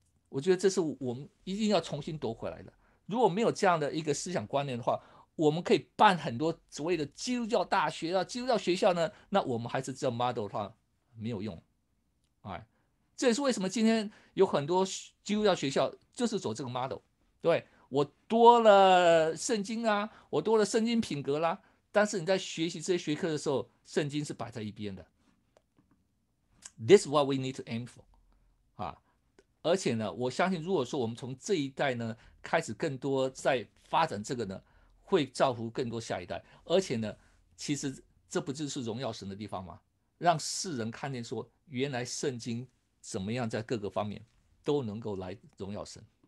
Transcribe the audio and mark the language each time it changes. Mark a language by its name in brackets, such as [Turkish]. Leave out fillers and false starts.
[Chinese] 我觉得这是我们一定要重新夺回来的。如果没有这样的一个思想观念的话，我们可以办很多所谓的基督教大学啊、基督教学校呢，那我们还是这 model 的话没有用。哎，这也是为什么今天有很多基督教学校就是走这个 model。对，我多了圣经啊，我多了圣经品格啦，但是你在学习这些学科的时候，圣经是摆在一边的。 [English] This is what we need to aim for。 [Chinese] 而且呢，我相信如果说我们从这一代呢开始更多在发展这个呢，会造福更多下一代。而且呢，其实这不就是荣耀神的地方吗？让世人看见说，原来圣经怎么样在各个方面都能够来荣耀神。